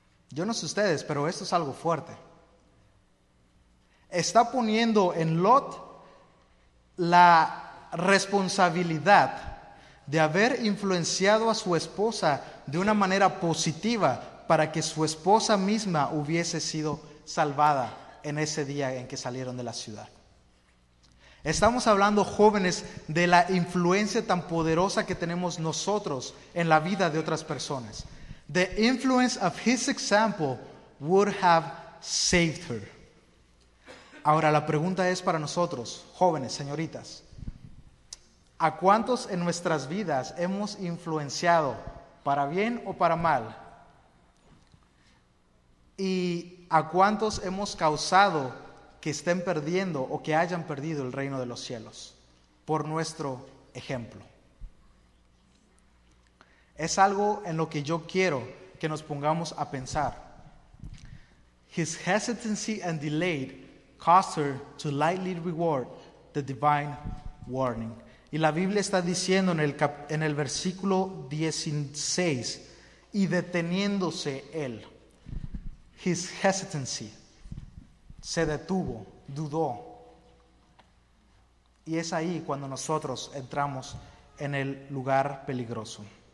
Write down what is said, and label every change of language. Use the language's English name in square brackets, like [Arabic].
[Spanish] Yo no sé ustedes, pero esto es algo fuerte. Está poniendo en Lot la responsabilidad de haber influenciado a su esposa de una manera positiva para que su esposa misma hubiese sido salvada en ese día en que salieron de la ciudad. Estamos hablando, jóvenes, de la influencia tan poderosa que tenemos nosotros en la vida de otras personas. [English] The influence of his example would have saved her. [Spanish] Ahora, la pregunta es para nosotros, jóvenes, señoritas. ¿A cuántos en nuestras vidas hemos influenciado para bien o para mal? ¿Y a cuántos hemos causado que estén perdiendo o que hayan perdido el reino de los cielos por nuestro ejemplo? Es algo en lo que yo quiero que nos pongamos a pensar. [English] His hesitancy and delay caused her to lightly reward the divine warning. [Spanish] Y la Biblia está diciendo en el versículo 16, y deteniéndose él, [English] his hesitancy. [Spanish] se detuvo, dudó. Y es ahí cuando nosotros entramos en el lugar peligroso.